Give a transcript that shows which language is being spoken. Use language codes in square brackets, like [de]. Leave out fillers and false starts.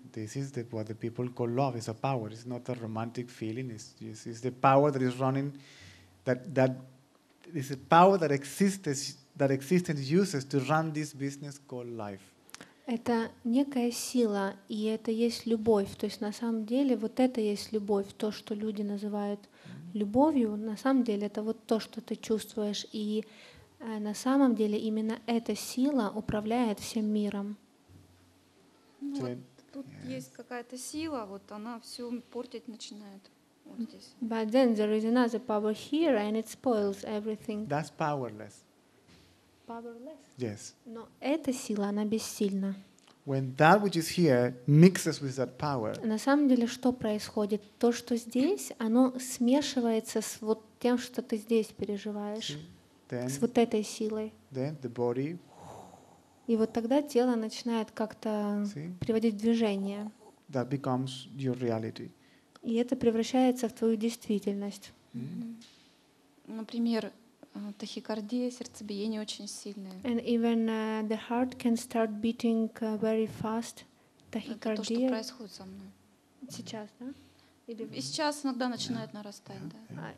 [en] This is the, what the people call love. It's a power. It's not a romantic feeling. It's the power that is running, that is a power that exists, that existence uses to run this business called life. [ru] Это некая сила, и это есть любовь. То есть на самом деле вот это есть любовь, то, что люди называют любовью. На самом деле это вот то, что ты чувствуешь, и на самом деле именно эта сила управляет всем миром. Ну, вот тут есть какая-то сила, вот она все портить начинает. Вот здесь. [en] But then there is another power here, and it spoils everything. That's powerless. Powerless. Yes. [ru] Но эта сила, она бессильна. [en] When that which is here mixes with that power. [ru] На самом деле, что происходит? То, что здесь, оно смешивается с вот тем, что ты здесь переживаешь, [en] then, [ru] с вот этой силой. [en] Then the body. [ru] И вот тогда тело начинает как-то приводить в движение. [en] That becomes your reality. [ru] И это превращается в твою действительность. Например. Тахикардия, сердцебиение очень сильное. [en] And even the heart can start beating very fast. [ru] Тахикардия. Это то, что происходит со мной. Сейчас, да? Или и сейчас иногда начинает нарастать, да.